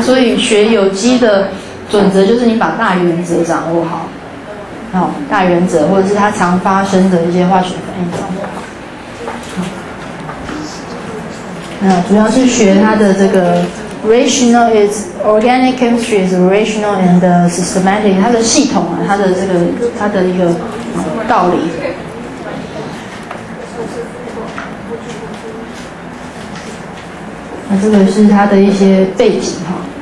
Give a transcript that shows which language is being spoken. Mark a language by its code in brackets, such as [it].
[zh] 所以学有机的准则就是你把大原则掌握好，好大原则或者是它常发生的一些化学反应掌握好。那主要是学它的这个。 [en] Rational is organic chemistry is rational and systematic. [zh] 它的系统啊，它的这个它的一个道理。那这个是它的一些背景哈。